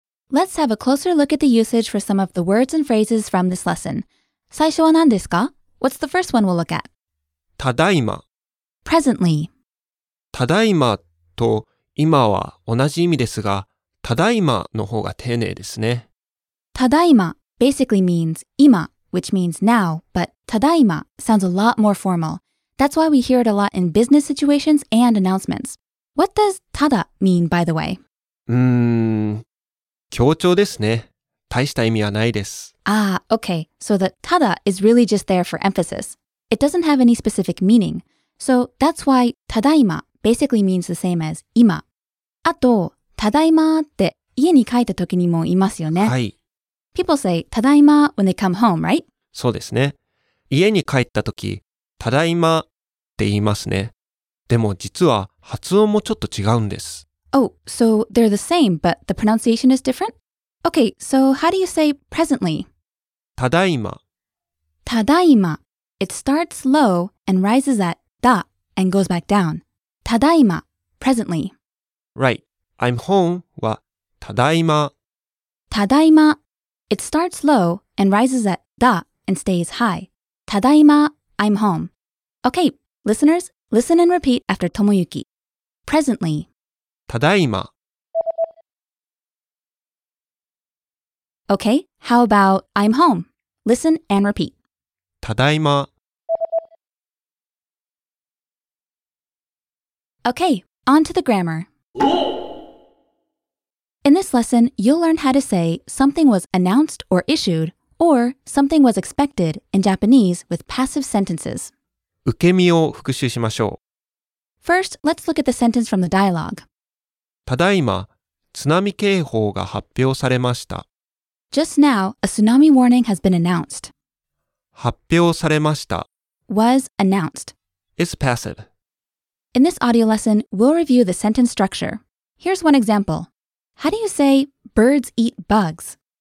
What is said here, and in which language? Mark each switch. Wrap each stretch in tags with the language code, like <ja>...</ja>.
<en>Let's have a closer look at the usage for some of the words and phrases from this lesson.</en> <ja>最初は何ですか?</ja> <en>What's the first one we'll look at?</en> <ja>ただいま。</ja> <en>Presently.</en> <ja>ただいまと今は同じ意味ですが、ただいまの方が丁寧ですね。</ja> <en>ただいま basically means 今, which means now, but ただいま sounds a lot more formal. That's why we hear it a lot in business situations and announcements. What does ただ mean, by the way?</en> <ja>強調ですね。大した意味はないです。</ja> <en>Ah, okay. So the ただ is really just there for emphasis. It doesn't have any specific meaning. So that's why ただいま basically means the same as 今。</en> <ja>あと、ただいまって家に帰った時にも言いますよね。はい。</ja> <en>People say ただいま when they come home, right?</en> <ja>そうですね。家に帰った時、ただいまって言いますね。でも実は発音もちょっと違うんです。</ja> <en>Oh, so they're the same, but the pronunciation is different? Okay, so how do you say presently?</en> <ja>ただいま。ただいま。</ja> <en>It starts low and rises at だ and goes back down. ただいま、presently. Right. I'm home</en> <ja>はただいま。ただいま。</ja> <en>It starts low and rises at だ and stays high. ただいま、I'm home. Okay, listeners, listen and repeat after Tomoyuki. Presently.</en> <ja>ただいま。</ja> <en>Okay, how about I'm home? Listen and repeat.</en> <ja>ただいま。</ja> <en>Okay, on to the grammar. In this lesson, you'll learn how to say something was announced or issued, or something was expected in Japanese with passive sentences.</en> <ja>受け身を復習しましょう。</ja> <en>First, let's look at the sentence from the dialogue.</en> <ja>ただいま、津波警報が発表されました。</ja> <en>Just now, a tsunami warning has been announced.</en> <ja>発表されました。</ja> <en>Was announced. Is passive. In this audio lesson, we'll review the sentence structure. Here's one example. How do you say, birds eat bugs?</en>